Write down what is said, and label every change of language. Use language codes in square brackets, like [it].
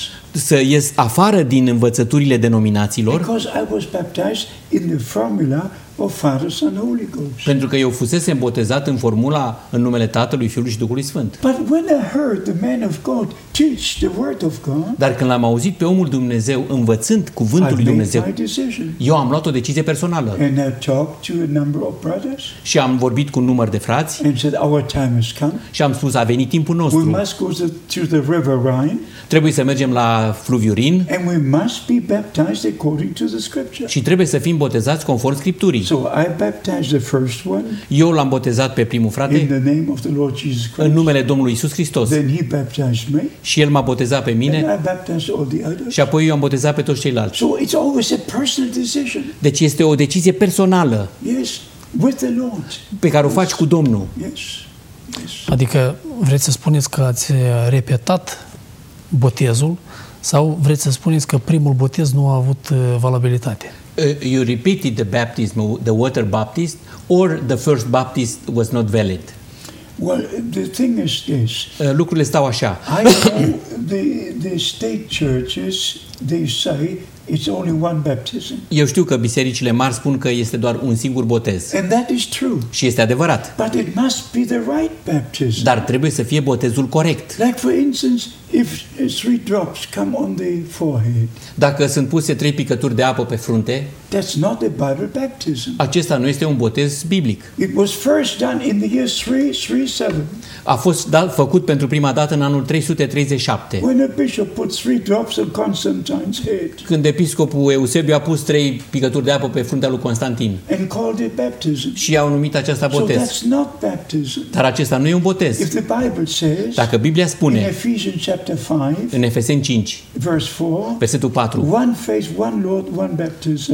[ro] Să ies afară din învățăturile denominațiilor. [en] Because I was baptized in the formula of Father, Son, Holy Ghost. [ro] Pentru că eu fusesem botezat în formula în numele Tatălui, Fiului și Duhului Sfânt. [en] But when I heard the man of God teach the word of God, [ro] dar când l-am auzit pe omul Dumnezeu învățând cuvântul lui Dumnezeu, [en] my decision. [ro] Eu am luat o decizie personală. [en] And I talked to a number of brothers. [ro] Și am vorbit cu un număr de frați. [en] And said our time has come. [ro] Și am spus a venit timpul nostru. [en] We must go to the River Rhine. [ro] Trebuie să mergem la fluviul Rin. [en] And we must be baptized according to the scripture. [ro] Și trebuie să fim botezați conform Scripturii. [en] So I baptized the first one. [ro] Eu l-am botezat pe primul frate. [en] In the name of the Lord Jesus Christ. [ro] În numele Domnului Iisus Hristos. [en] Then he baptized me. [ro] Și el m-a botezat pe mine. [en] And I baptized all the others. [ro] Și apoi eu am botezat pe toți ceilalți. [en] So it's always a personal decision. [ro] Deci este o decizie personală. [en] Yes, with the Lord. [ro] Pe care o faci cu Domnul. [en] Yes. [ro] Adică vreți să spuneți că ați repetat botezul sau vreți să spuneți că primul botez nu a avut valabilitate? [en] You repeated the baptism, the water baptism, or the first baptism was not valid? Well, the thing is this. [ro] Lucrurile stau așa. [en] I know the state churches, they say it's only one baptism. [ro] Eu știu că bisericile mari spun că este doar un singur botez. [en] And that is true. [ro] Și este adevărat. [en] But it must be the right baptism. [ro] Dar trebuie să fie botezul corect. [en] Like for instance, if three drops come on the forehead. [ro] Dacă sunt puse trei picături de apă pe frunte, [en] that's not a Bible baptism. [ro] Acesta nu este un botez biblic. [en] It was first done in the year 337. [ro] A fost făcut pentru prima dată în anul 337. [en] When a bishop put three drops on Constantine's head. [ro] Când episcopul Eusebiu a pus trei picături de apă pe fruntea lui Constantin. [en] And called it baptism. [ro] Și au numit aceasta botez. [en] So that's not baptism. [ro] Dar acesta nu e un botez. [en] If the Bible says, [ro] dacă Biblia spune, [en] in Ephesians chapter 5, [ro] în Efeseni 5, [en] verse 4, [ro] versetul 4, [en] one faith, one Lord, one baptism.